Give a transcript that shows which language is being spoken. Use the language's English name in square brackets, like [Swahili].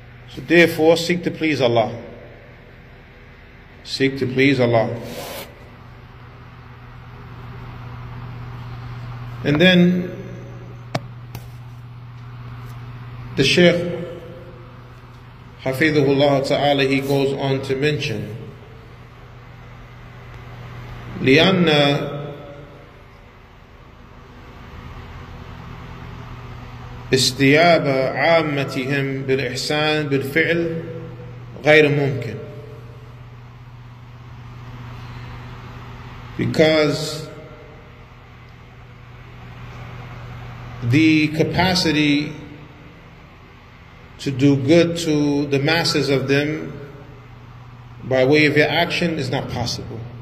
[English] So therefore, seek to please Allah. Seek to please Allah. And then, the Shaykh, Hafidhullah Ta'ala, he goes on to mention [Arabic] لأن استياب عامتهم بالإحسان بالفعل غير ممكن. [English] Because the capacity to do good to the masses of them by way of your action is not possible.